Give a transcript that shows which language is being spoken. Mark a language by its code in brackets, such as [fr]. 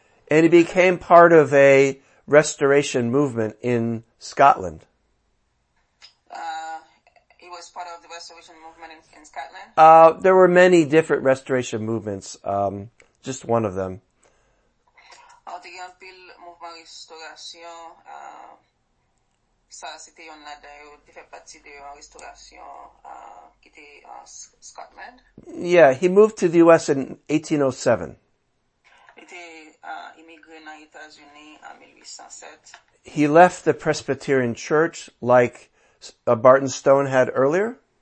[en] And he became part of a restoration movement in Scotland. He was part of the restoration movement in Scotland? There were many different restoration movements, just one of them. The Yampil [fr] mouvement restauration, ça c'était un là d'ailleurs, qui fait partie de la restauration, qui était en Scotland. [en] Yeah, he moved to the US in 1807. [fr] Il était immigré dans les États-Unis en 1807. [en] He left the Presbyterian Church like Barton Stone had earlier.